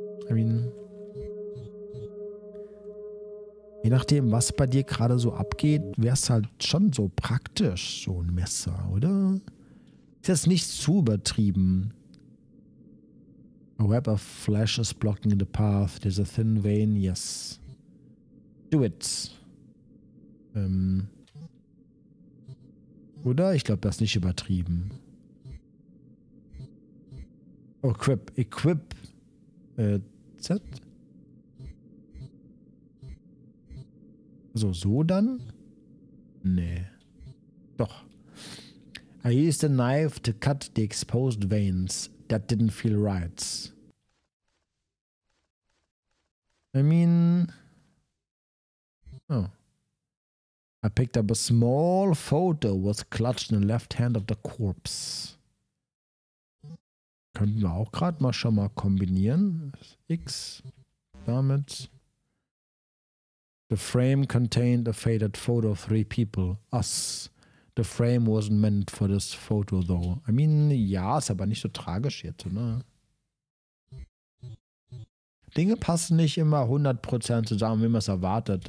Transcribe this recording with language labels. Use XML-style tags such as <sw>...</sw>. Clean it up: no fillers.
<en>I mean,</en> <de>je nachdem, was bei dir gerade so abgeht, wäre es halt schon so praktisch, so ein Messer, oder? Ist jetzt nicht zu übertrieben.</de> <en>A web of flesh is blocking the path. There's a thin vein. Yes. Do it.</en> <de>Oder? Ich glaube, das ist nicht übertrieben.</de> <en>Oh, equip. Equip. Z.</en> <de>So, so dann? Nee. Doch.</de> <en>I used a knife to cut the exposed veins. That didn't feel right. I mean... Oh. I picked up a small photo was clutched in the left hand of the corpse.</en> <de>Könnten wir auch gerade mal schon mal kombinieren. X. Damit.</de> <en>The frame contained a faded photo of three people. Us. The frame wasn't meant for this photo though. I mean,</en> <de>ja, ist aber nicht so tragisch jetzt, ne? Dinge passen nicht immer 100% zusammen, wie man es erwartet.</de>